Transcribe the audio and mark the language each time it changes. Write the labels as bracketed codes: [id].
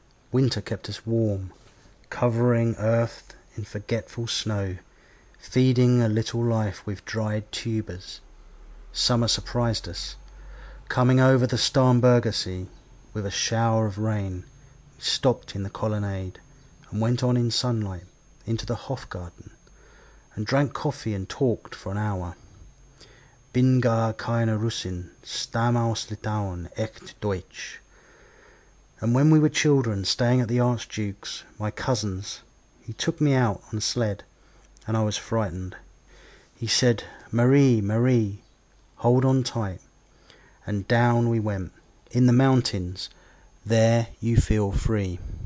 [en] Winter kept us warm, covering earth in forgetful snow, feeding a little life with dried tubers. Summer surprised us, coming over the Starnberger Sea with a shower of rain. We stopped in the colonnade and went on in sunlight into the Hofgarten and drank coffee and talked for an hour. [de] Bin gar keine Russin, stamm aus Litauen, echt Deutsch. [en] And when we were children, staying at the Archduke's, my cousin's, he took me out on a sled, and I was frightened. He said, Marie, Marie, hold on tight. And down we went, in the mountains, there you feel free.